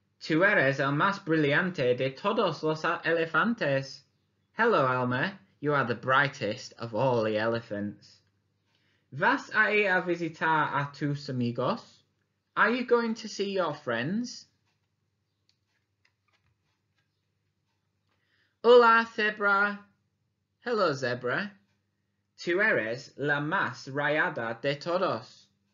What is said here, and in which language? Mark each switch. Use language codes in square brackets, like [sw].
[es] Tú eres el más brillante de todos los elefantes. [en] Hello, Elmer. You are the brightest of all the elephants. [es] ¿Vas a ir a visitar a tus amigos? [en] Are you going to see your friends? [es] Hola, zebra. [en] Hello, zebra. [es] Tú eres la más rayada de todos.